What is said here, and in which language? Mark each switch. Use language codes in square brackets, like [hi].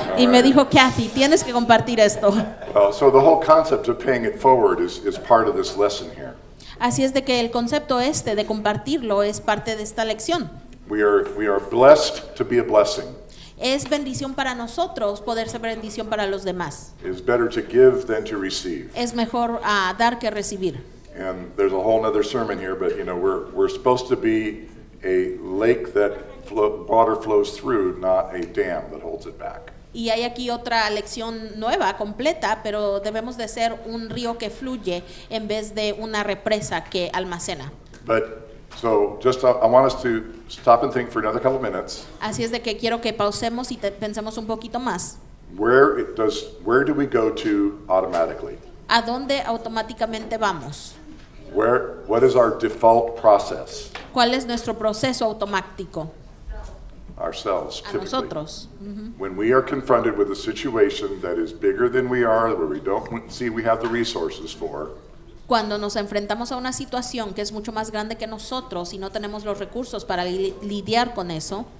[es] Y me dijo, Kathy, tienes que compartir esto. [en] So the whole concept of paying it forward is part of this lesson here. [es] Así es de que el concepto este de compartirlo es parte de esta lección. [en] We are blessed to be a blessing. [es] Es bendición para nosotros poder ser bendición para los demás. [en] It's better to give than to receive. [es] Es mejor dar que recibir. [en] And there's a whole other sermon here, but you know, we're supposed to be a lake that water flows through, not a dam that holds it back. [es] Y hay aquí otra lección nueva, completa, pero debemos de ser un río que fluye en vez de una represa que almacena. [en] But, so, just I want us to stop and think for another couple minutes. [es] Así es de que quiero que pausemos y pensemos un poquito más. [en] Where do we go to automatically? [es] ¿A dónde automáticamente vamos? [en] What is our default process? [es] ¿Cuál es nuestro proceso automático? [en] Ourselves, typically. [es] A nosotros. [en] When we are confronted with a situation that is bigger than we are, where we don't see we have the resources for. [es] Cuando nos enfrentamos a una situación que es mucho más grande que nosotros y no tenemos los recursos para lidiar con eso.